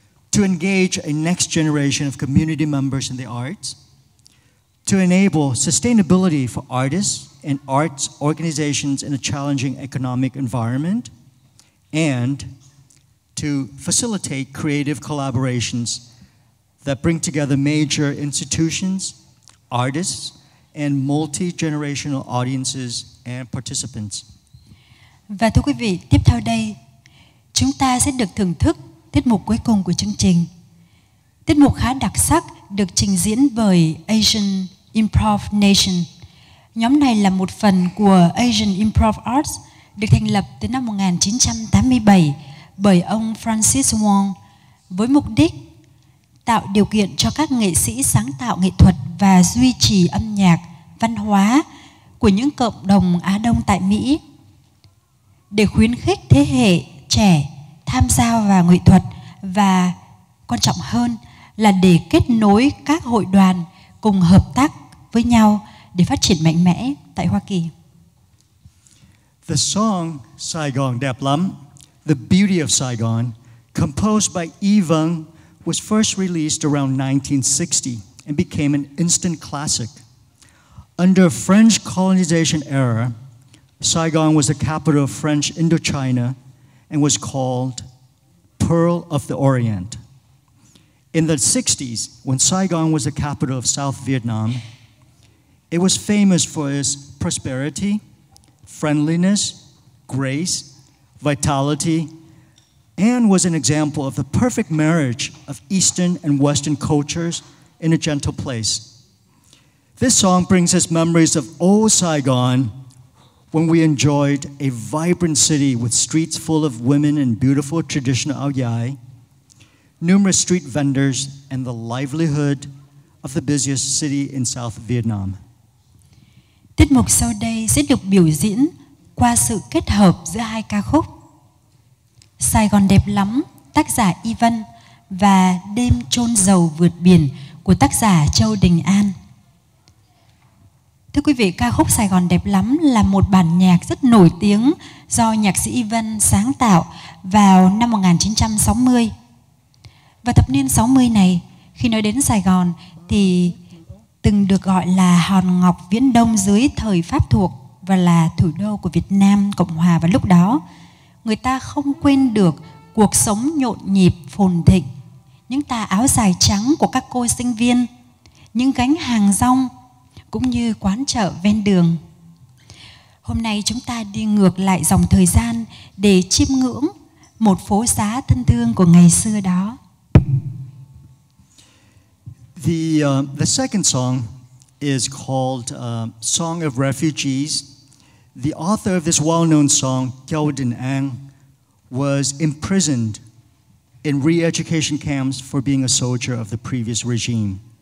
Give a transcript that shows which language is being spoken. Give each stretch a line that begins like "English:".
English: to engage a next generation of community members in the arts, to enable sustainability for artists and arts organizations in a challenging economic environment, and to facilitate creative collaborations that bring together major institutions, artists, and multi-generational audiences and participants.
Vietnamese: Và thưa quý vị, tiếp theo đây, chúng ta sẽ được thưởng thức tiết mục cuối cùng của chương trình. Tiết mục khá đặc sắc được trình diễn bởi Asian Improv Nation. Nhóm này là một phần của Asian Improv Arts, được thành lập từ năm 1987 bởi ông Francis Wong với mục đích tạo điều kiện cho các nghệ sĩ sáng tạo nghệ thuật và duy trì âm nhạc, văn hóa của những cộng đồng Á Đông tại Mỹ để khuyến khích thế hệ trẻ tham gia vào nghệ thuật và quan trọng hơn là để kết nối các hội đoàn cùng hợp tác với nhau để phát triển mạnh mẽ tại Hoa Kỳ.
English: The song Sài Gòn đẹp lắm, The Beauty of Saigon, composed by Y Vung, was first released around 1960 and became an instant classic. Under French colonization era, Saigon was the capital of French Indochina and was called Pearl of the Orient. In the 60s, when Saigon was the capital of South Vietnam, it was famous for its prosperity, friendliness, grace, vitality, and was an example of the perfect marriage of Eastern and Western cultures in a gentle place. This song brings us memories of old Saigon when we enjoyed a vibrant city with streets full of women and beautiful traditional ao dai, numerous street vendors, and the livelihood of the busiest city in South Vietnam.
Vietnamese: Tiết mục sau đây sẽ được biểu diễn qua sự kết hợp giữa hai ca khúc Sài Gòn đẹp lắm, tác giả Y Vân và Đêm chôn dầu vượt biển của tác giả Châu Đình An. Thưa quý vị, ca khúc Sài Gòn đẹp lắm là một bản nhạc rất nổi tiếng do nhạc sĩ Y Vân sáng tạo vào năm 1960. Và thập niên 60 này, khi nói đến Sài Gòn thì từng được gọi là Hòn Ngọc Viễn Đông dưới thời Pháp thuộc và là thủ đô của Việt Nam Cộng Hòa vào lúc đó. Người ta không quên được cuộc sống nhộn nhịp phồn thịnh, những tà áo dài trắng của các cô sinh viên, những gánh hàng rong cũng như quán chợ ven đường. Hôm nay chúng ta đi ngược lại dòng thời gian để chiêm ngưỡng một phố xá thân thương của ngày xưa đó.
English: The second song is called Song of Refugees. The author of this well-known song, Châu Đình An, was imprisoned in re-education camps for being a soldier of the previous regime.